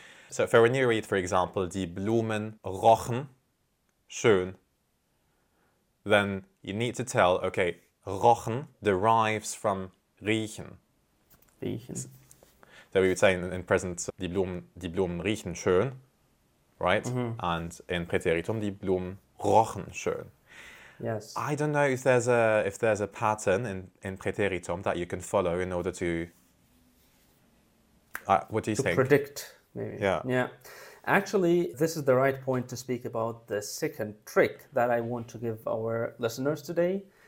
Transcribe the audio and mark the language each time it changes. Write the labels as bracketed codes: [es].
[en] So for when you read, for example, [de] die Blumen rochen schön, [en] then you need to tell, okay, rochen derives from riechen. [de] Riechen. [en] So we would say in present, [de] die Blumen riechen schön, [en] right? Mm-hmm. And in Präteritum, [de] die Blumen rochen schön. [en] Yes. I don't know if there's a pattern in Präteritum that you can follow in order to... what do you think? To predict, maybe. Yeah. Actually, this is the right point to speak about the second trick that I want to give our listeners today.